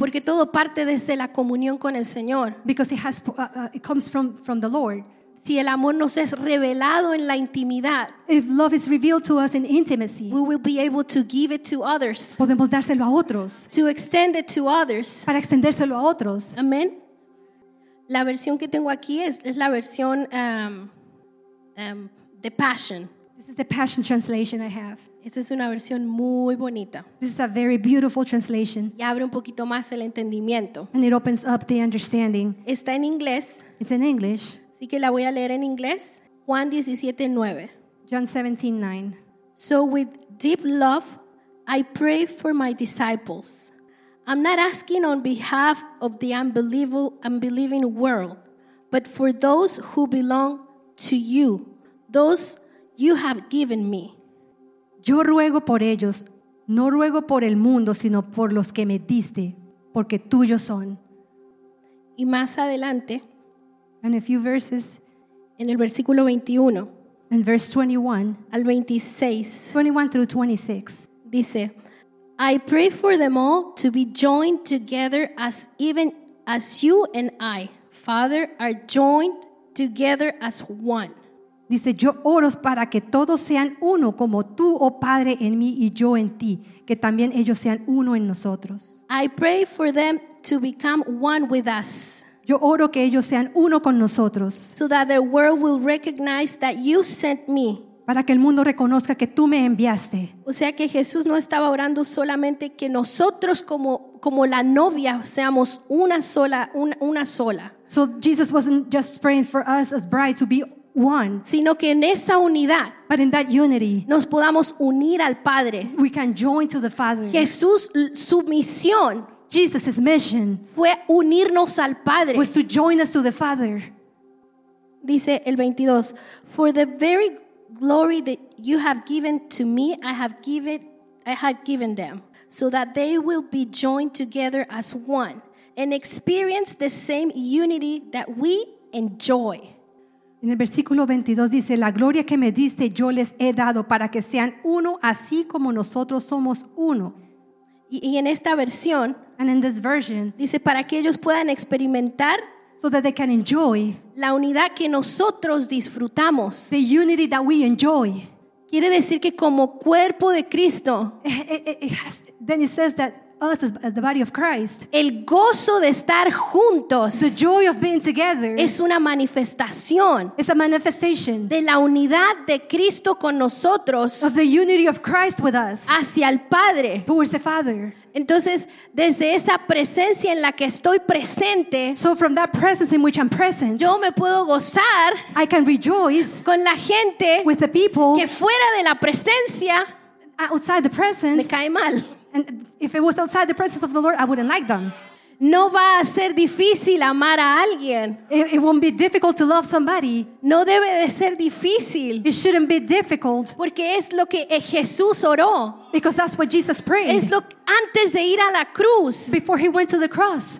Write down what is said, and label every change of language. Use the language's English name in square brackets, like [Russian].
[Spanish] Porque todo parte desde la comunión con el Señor. [English] Because it has it comes from the Lord. [Spanish] Si el amor nos es revelado en la intimidad, [English] if love is revealed to us in intimacy, we will be able to give it to others. [Spanish] Podemos dárselo a otros. [English] To extend it to others. [Spanish] Para extendérselo a otros. Amén. La versión que tengo aquí es la versión The Passion. [English] This is the Passion translation I have. [Spanish] Esta es una versión muy bonita. [English] This is a very beautiful translation. [Spanish] Y abre un poquito más el entendimiento. [English] And it opens up the understanding. [Spanish] Está en inglés. [English] It's in English. [Spanish] Así que la voy a leer en inglés. Juan 17:9. [English] John 17:9. So with deep love, I pray for my disciples. I'm not asking on behalf of the unbelieving world, but for those who belong to you, those you have given me. [Spanish] Yo ruego por ellos, no ruego por el mundo, sino por los que me diste, porque tuyos son. Y más adelante, [English] and a few verses, [Spanish] en el versículo 21, [English] in verse 21, [Spanish] al 26, [English] 21 through 26, dice, I pray for them all to be joined together as even as you and I, Father, are joined together as one. [Spanish] Dice, yo oro para que todos sean uno como tú, oh Padre, en mí y yo en ti, que también ellos sean uno en nosotros. [English] I pray for them to become one with us. [Spanish] Yo oro que ellos sean uno con nosotros. [English] So that the world will recognize that you sent me. [Spanish] Para que el mundo reconozca que tú me enviaste. O sea que Jesús no estaba orando solamente que nosotros como la novia seamos una sola. [English] So Jesus wasn't just praying for us as brides to be one. [Spanish] Sino que en esa unidad. [English] But in that unity. [Spanish] Nos podamos unir al Padre. [English] We can join to the Father. [Spanish] Jesús, su misión. [English] Jesus' mission. [Spanish] Fue unirnos al Padre. [English] Was to join us to the Father. [Spanish] Dice el 22. [English] For the very glory that you have given to me, I have given I had given them, so that they will be joined together as one and experience the same unity that we enjoy. [Spanish] En el versículo 22 dice, la gloria que me diste yo les he dado para que sean uno así como nosotros somos uno. Y en esta versión, [English] and in this version, [Spanish] dice, para que ellos puedan experimentar, [English] so that they can enjoy, [Spanish] la unidad que nosotros disfrutamos. [English] The unity that we enjoy. [Spanish] Quiere decir que como cuerpo de Cristo, [English] then it says that us as the body of Christ, [Spanish] el gozo de estar juntos, [English] the joy of being together, [Spanish] es una manifestación, [English] it's a manifestation, [Spanish] de la unidad de Cristo con nosotros, [English] of the unity of Christ with us, [Spanish] hacia el Padre, [English] towards the Father. [Spanish] Entonces, desde esa presencia en la que estoy presente, [English] so from that presence in which I'm present, [Spanish] yo me puedo gozar, [English] I can rejoice, [Spanish] con la gente, [English] with the people, [Spanish] que fuera de la presencia, [English] outside the presence, [Spanish] me cae mal. [English] And if it was outside the presence of the Lord, I wouldn't like them. [Spanish] No va a ser difícil amar a alguien. [English] It won't be difficult to love somebody. [Spanish] No debe de ser difícil. [English] It shouldn't be difficult. [Spanish] Porque es lo que Jesús oró. [English] Because that's what Jesus prayed. [Spanish] Es lo antes de ir a la cruz. [English] Before he went to the cross.